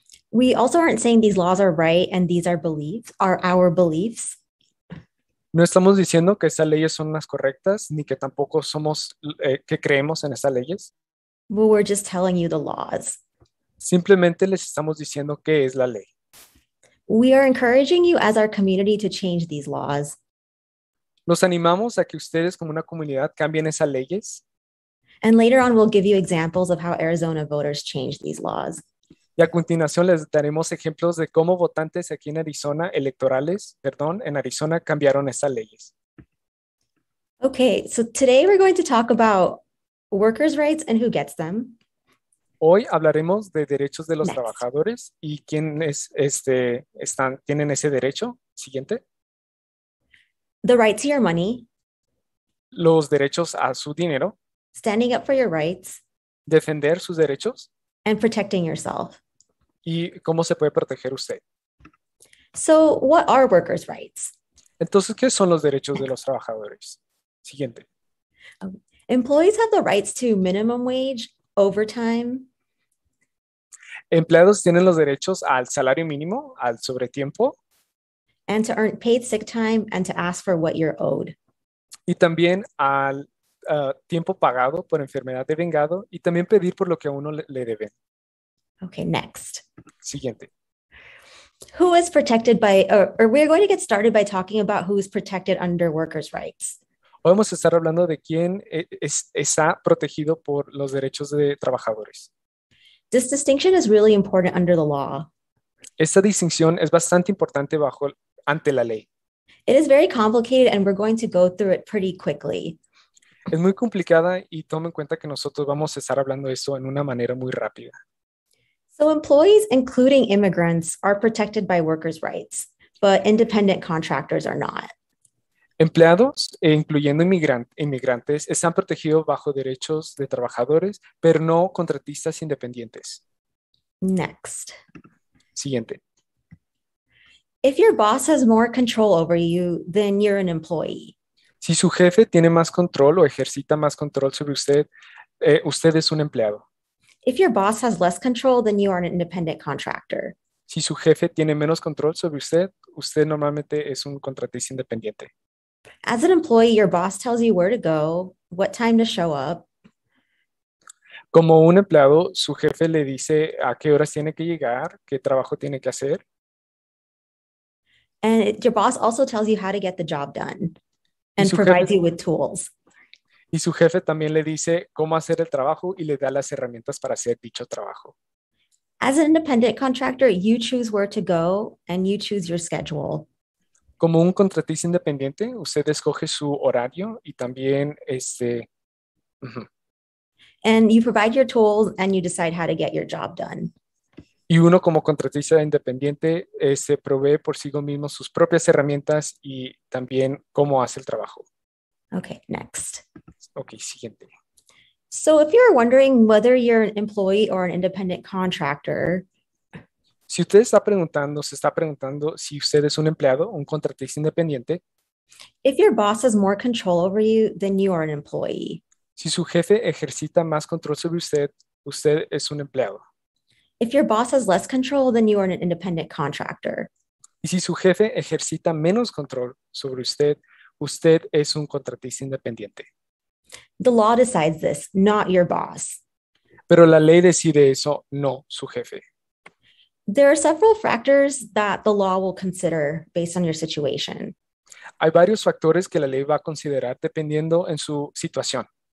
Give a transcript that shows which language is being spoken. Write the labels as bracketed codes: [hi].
[en] We also aren't saying these laws are right and these are our beliefs. [es] No estamos diciendo que estas leyes son las correctas ni que tampoco somos que creemos en estas leyes. [en] But we're just telling you the laws. [es] Simplemente les estamos diciendo qué es la ley. [en] We are encouraging you as our community to change these laws. [es] Los animamos a que ustedes como una comunidad cambien esas leyes. [en] And later on we'll give you examples of how Arizona voters changed these laws. [es] Y a continuación les daremos ejemplos de cómo votantes aquí en Arizona, en Arizona cambiaron esas leyes. [en] Okay, so today we're going to talk about workers' rights and who gets them. [es] Hoy hablaremos de derechos de los trabajadores y quiénes tienen ese derecho. Siguiente. [en] The right to your money. [es] Los derechos a su dinero. [en] Standing up for your rights. [es] Defender sus derechos. [en] And protecting yourself. [es] Y cómo se puede proteger usted. [en] So, what are workers' rights? [es] Entonces, ¿qué son los derechos de los trabajadores? Siguiente. [en] Employees have the rights to minimum wage, overtime. [es] Empleados tienen los derechos al salario mínimo, al sobretiempo. [en] And to earn paid sick time and to ask for what you're owed. [es] Y también al tiempo pagado por enfermedad de vengado y también pedir por lo que a uno le deben. [en] Okay, next. [es] Siguiente. [en] Who is protected by, or we're going to get started by talking about who is protected under workers' rights. [es] Hoy vamos a estar hablando de quién está protegido por los derechos de trabajadores. [en] This distinction is really important under the law. [es] Esta distinción es bastante importante ante la ley. [en] It is very complicated and we're going to go through it pretty quickly. [es] Es muy complicada y tome en cuenta que nosotros vamos a estar hablando de esto en una manera muy rápida. [en] So employees, including immigrants, are protected by workers' rights, but independent contractors are not. [es] Empleados, incluyendo inmigrantes, están protegidos bajo derechos de trabajadores, pero no contratistas independientes. [en] Next. [es] Siguiente. [en] If your boss has more control over you, then you're an employee. [es] Si su jefe tiene más control o ejercita más control sobre usted, usted es un empleado. [en] If your boss has less control, then you are an independent contractor. [es] Si su jefe tiene menos control sobre usted, usted normalmente es un contratista independiente. [en] As an employee, your boss tells you where to go, what time to show up. [es] Como un empleado, su jefe le dice a qué horas tiene que llegar, qué trabajo tiene que hacer. [en] And your boss also tells you how to get the job done and provides you with tools. [es] Y su jefe también le dice cómo hacer el trabajo y le da las herramientas para hacer dicho trabajo. [en] As an independent contractor, you choose where to go and you choose your schedule. [es] Como un contratista independiente, usted escoge su horario y también [en] And you provide your tools and you decide how to get your job done. [es] Y uno como contratista independiente se provee por sí mismo sus propias herramientas y también cómo hace el trabajo. [en] Okay, next. [es] Okay, siguiente. [en] So if you're wondering whether you're an employee or an independent contractor, [es] si usted está preguntando, se está preguntando si usted es un empleado o un contratista independiente, [en] if your boss has more control over you, then you are an employee. [es] Si su jefe ejercita más control sobre usted, usted es un empleado. [en] If your boss has less control, then you are an independent contractor. [es] Y si su jefe ejercita menos control sobre usted, usted es un contratista independiente. [en] The law decides this, not your boss. [es] Pero la ley decide eso, no su jefe. [en] There are several factors that the law will consider based on your situation. [es] Hay varios factores que la ley va a considerar dependiendo en su situación.